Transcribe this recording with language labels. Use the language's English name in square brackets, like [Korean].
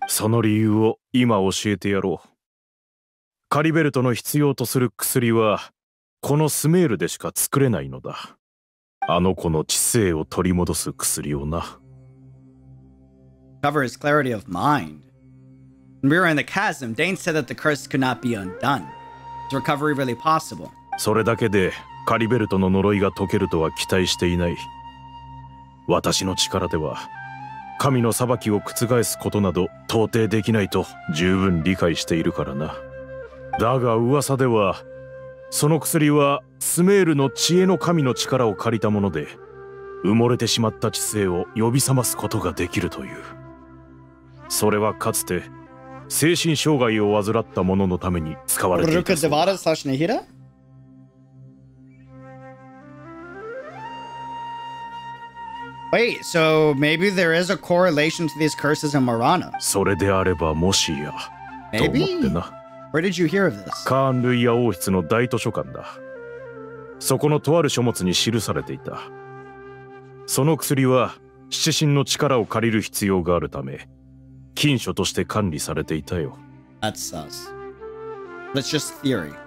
[Japanese] その理由を今教えてやろう。カリベルトの必要とする薬はこのスメールでしか作れないのだ。あの子の知性を取り戻す薬をな。 [English] Cover his clarity of mind. When we were in the chasm, Dane said that the curse could not be undone. Is recovery really possible? [Japanese] それだけでカリベルトの呪いが解けるとは期待していない。私の力では。神の裁きを覆すことなど到底できないと十分理解しているからな。だが噂ではその薬はスメールの知恵の神の力を借りたもので埋もれてしまった知性を呼び覚ますことができるという。それはかつて精神障害を患った者のために使われていた。そうだ、 [English] Wait, so maybe there is a correlation to these curses in Marana. [Japanese] それであればもしや。 [English] Maybe? Where did you hear of this? [Japanese] カーン・ルイヤ王室の大図書館だ。そこのとある書物に記されていた。その薬は七神の力を借りる必要があるため、禁書として管理されていたよ。 [English] That's sus. That's just theory.